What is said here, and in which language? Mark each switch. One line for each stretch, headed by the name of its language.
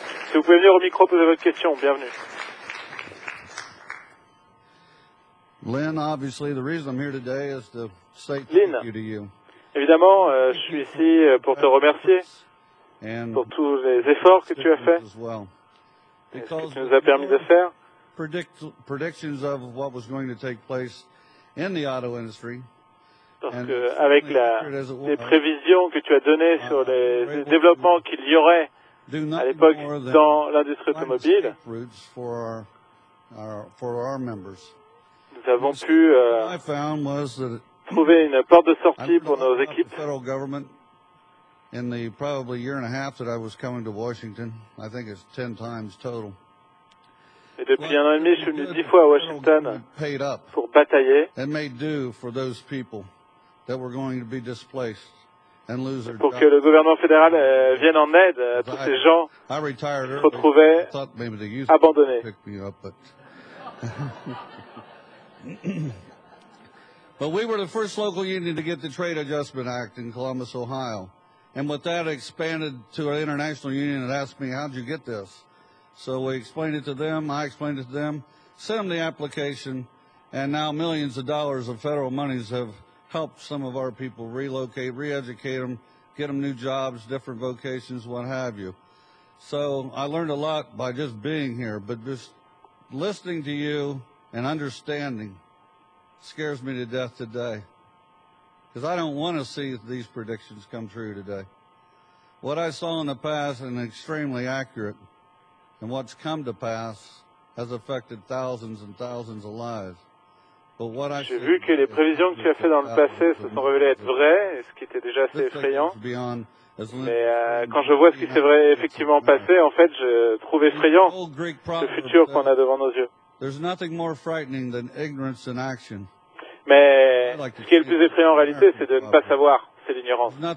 French: Si vous pouvez venir au micro poser votre question, bienvenue.
English: Lynn, obviously, the reason I'm here today is to
French: Lynn, évidemment, je suis ici pour te remercier pour tous les efforts que tu as faits et ce que tu nous as permis de faire.
English: Predictions of what was going to take place in the auto industry.
French: Parce que avec les prévisions que tu as données sur les développements qu'il y aurait à l'époque dans l'industrie automobile, nous avons pu trouver une porte de sortie pour nos équipes.
English: In the probably year and a half that I was coming to Washington, I think it's 10 times total.
French: Et depuis un an et demi, je suis venu 10 fois à Washington pour batailler.
English: It made do for those people that were going to be displaced and lose their jobs.
French: Pour que le gouvernement fédéral vienne en aide à tous ces gens qui se retrouvaient abandonnés.
English: But we were the first local union to get the Trade Adjustment Act in Columbus, Ohio. And with that, it expanded to an international union and asked me, how'd you get this? So we explained it to them, I explained it to them, sent them the application, and now millions of dollars of federal monies have helped some of our people relocate, re-educate them, get them new jobs, different vocations, what have you. So I learned a lot by just being here, but just listening to you and understanding scares me to death today. Because I don't want to see these predictions come true today. What I saw in the past and extremely accurate, and what's come to pass has affected thousands and thousands of lives. But what I see,
French: que les prévisions que tu as fait dans le passé se sont révélées être vraies, ce qui était déjà assez effrayant. Mais quand je vois ce qui s'est vrai effectivement passé, en fait, je trouve effrayant ce futur qu'on a devant nos yeux.
English: There's nothing more frightening than ignorance in action.
French: Mais ce qui est le plus effrayant en réalité, c'est de ne pas savoir, c'est l'ignorance.